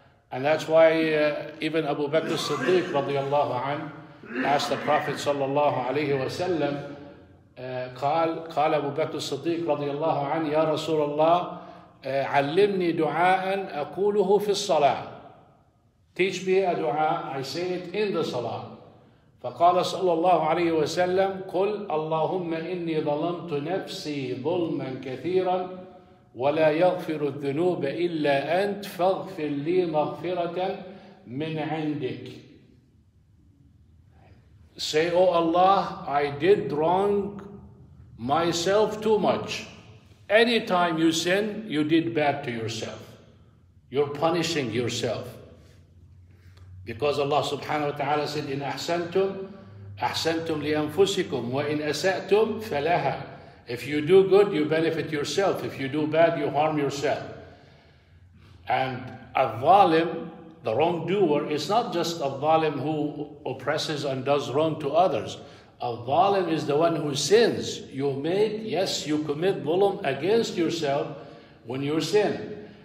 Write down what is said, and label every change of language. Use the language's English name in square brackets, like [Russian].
[English] And that's why even Abu Bakr Siddiq radiallahu anhu asked the Prophet sallallahu alayhi wa sallam, قال Abu Bakr Siddiq radiallahu anhu, Ya Rasulullah, [Arabic] علمني دعاء أقوله في الصلاة. [English] Teach me a dua, I say it in the salah. [Arabic] فقال صلى الله عليه وسلم, قل اللهم إني ظلمت نفسي ظلما كثيرا ولا يغفر الذنوب إلا أنت فاغفر لي مغفرة من عندك. [English] Say, O Allah, I did wrong myself too much. Anytime you sin, you did bad to yourself. You're punishing yourself. Because Allah subhanahu wa ta'ala said, [Arabic] إن أحسنتم أحسنتم لأنفسكم وإن أسأتم فلها. [English] If you do good, you benefit yourself. If you do bad, you harm yourself. And a zalim, the wrongdoer, is not just a zalim who oppresses and does wrong to others. A zalim is the one who sins. You commit zulm against yourself when you sin.